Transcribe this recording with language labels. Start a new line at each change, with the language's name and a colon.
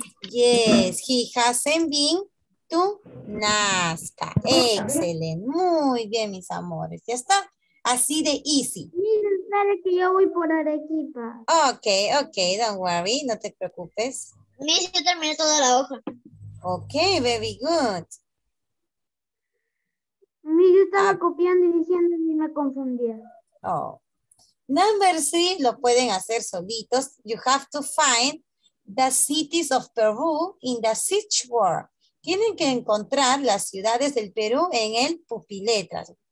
English: Yes, he hasn't been to Nazca.
Spanish: Excelente. Muy bien, mis amores. Ya está. Así de
English: easy.
Spanish: Dale que yo voy por Arequipa.
English: Ok, ok, don't worry,
Spanish: no te preocupes. Miss, yo terminé toda la hoja.
English: Ok, very good.
Spanish: Miss, yo estaba copiando y diciendo y me confundía. Oh.
English: Number three,
Spanish: lo pueden hacer solitos.
English: You have to find the cities of Peru in the search word.
Spanish: Tienen que encontrar las ciudades del Perú en el Pupiletras.